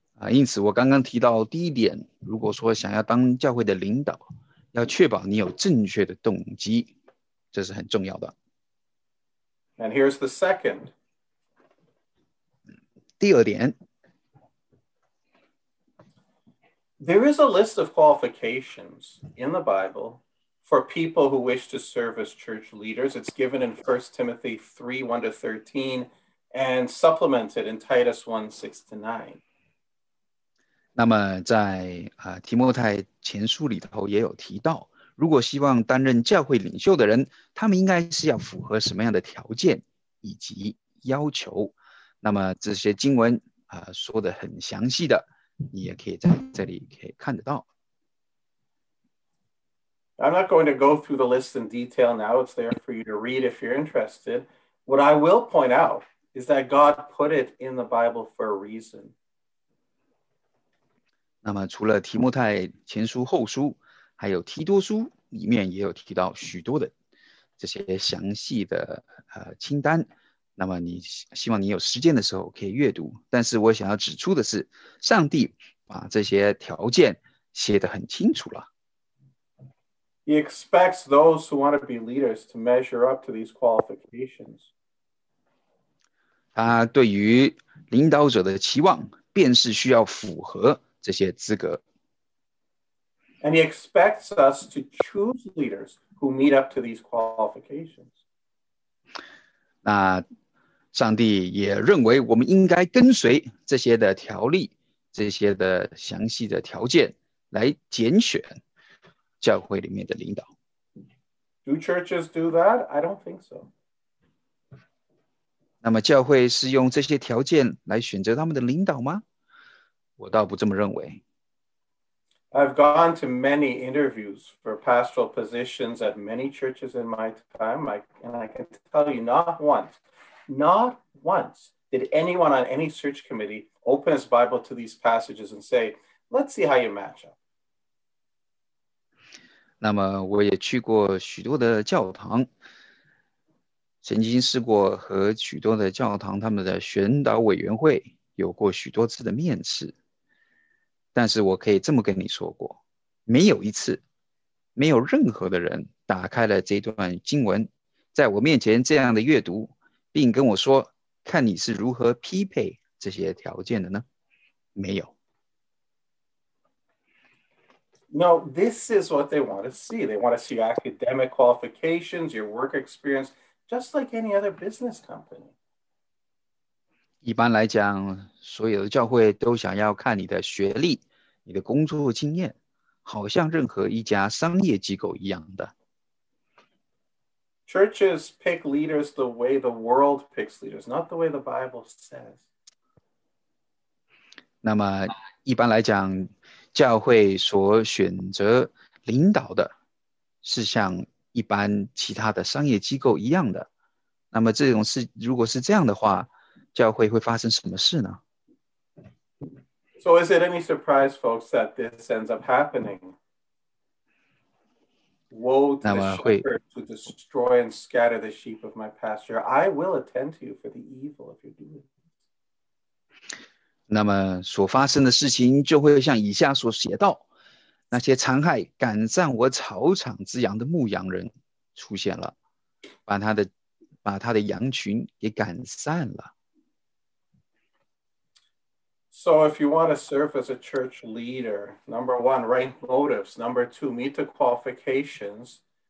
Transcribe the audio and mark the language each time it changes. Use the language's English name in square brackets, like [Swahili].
[Chinese] 因此我刚刚提到第一点，如果说想要当教会的领导，要确保你有正确的动机，这是很重要的。 [English] And here's the second. [Chinese] 第二点。 [English] There is a list of qualifications in the Bible for people who wish to serve as church leaders. It's given in 1 Timothy 3, 1 to 13, and supplemented in Titus 1, 6 to 9. [Chinese] 那么在提摩太前书里头也有提到，如果希望担任教会领袖的人，他们应该是要符合什么样的条件以及要求。那么这些经文说得很详细的，你也可以在这里可以看得到。 [English] I'm not going to go through the list in detail now. It's there for you to read if you're interested. What I will point out is that God put it in the Bible for a reason. [Chinese] 那么除了提摩太前书后书，还有提多书里面也有提到许多的这些详细的清单，那么你希望你有时间的时候可以阅读，但是我想要指出的是，上帝把这些条件写得很清楚了。 [English] He expects those who want to be leaders to measure up to these qualifications. [Chinese] 他对于领导者的期望，便是需要符合这些资格。 [English] And he expects us to choose leaders who meet up to these qualifications. [Chinese] 那上帝也认为我们应该跟随这些的条例，这些的详细的条件来拣选教会里面的领导。 [English] Do churches do that? I don't think so. [Chinese] 那么教会是用这些条件来选择他们的领导吗？我倒不这么认为。 [English] I've gone to many interviews for pastoral positions at many churches in my time, and I can tell you not once did anyone on any search committee open his Bible to these passages and say, let's see how you match up. [Chinese] 那么我也去过许多的教堂，曾经试过和许多的教堂他们的选导委员会有过许多次的面试。但是我可以这么跟你说过，没有一次，没有任何的人打开了这段经文，在我面前这样的阅读，并跟我说，看你是如何匹配这些条件的呢？没有。 [English] No, this is what they want to see. They want to see academic qualifications, your work experience, just like any other business company. [Chinese] 一般来讲，所有的教会都想要看你的学历，你的工作经验，好像任何一家商业机构一样的。 [English] Churches pick leaders the way the world picks leaders, not the way the Bible says. [Chinese] 那么一般来讲，教会所选择领导的是像一般其他的商业机构一样的。那么这种事，如果是这样的话，教会会发生什么事呢？ [English] So is it any surprise, folks, that this ends up happening? Woe to the shepherds who destroy and scatter the sheep of my pasture. I will attend to you for the evil of your doing. [Chinese] 那么所发生的事情就会像以下所写到，那些残害赶上我草场之羊的牧羊人出现了，把他的羊群给赶散了。 [English] So if you want to serve as a church leader, number one, right motives. Number two, meet the qualifications.